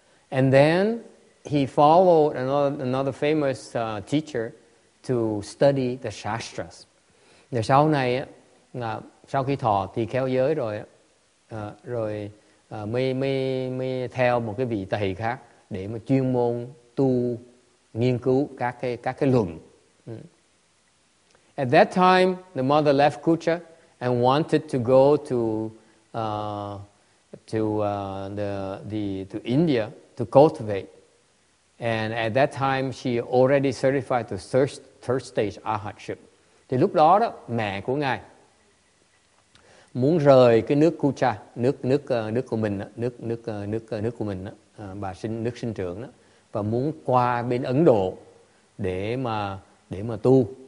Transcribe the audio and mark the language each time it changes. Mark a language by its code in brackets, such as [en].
[en] And then he followed another famous teacher to study the shastras. [vi] Rồi sau này sau khi thọ thì kheo giới rồi, rồi mới theo một cái vị thầy khác để mà chuyên môn tu nghiên cứu các cái luận. [en] At that time, the mother left Kucha and wanted to go to India to cultivate. And at that time, she already certified to third stage arhatship. [vi] Thì lúc đó đó mẹ của ngài muốn rời cái nước Kucha, nước của mình, nước của mình, bà sinh nước sinh trưởng đó, và muốn qua bên Ấn Độ để mà tu.